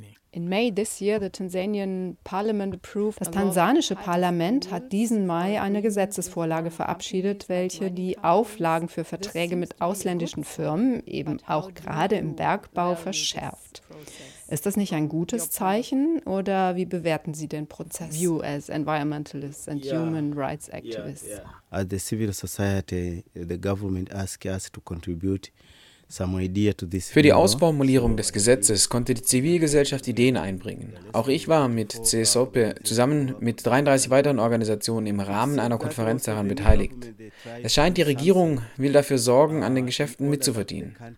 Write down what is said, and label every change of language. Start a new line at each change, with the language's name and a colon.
English: In May this year, the Tanzanian Parliament approved.
German: Das tansanische Parlament hat diesen Mai eine Gesetzesvorlage verabschiedet, welche die Auflagen für Verträge mit ausländischen Firmen, eben auch gerade im Bergbau, verschärft. Ist das nicht ein gutes Zeichen oder wie bewerten Sie den Prozess?
English: You as environmentalists and human rights activists. As the civil society, the government asked us to contribute.
German: Für die Ausformulierung des Gesetzes konnte die Zivilgesellschaft Ideen einbringen. Auch ich war mit CESOPE zusammen mit 33 weiteren Organisationen im Rahmen einer Konferenz daran beteiligt. Es scheint, die Regierung will dafür sorgen, an den Geschäften mitzuverdienen.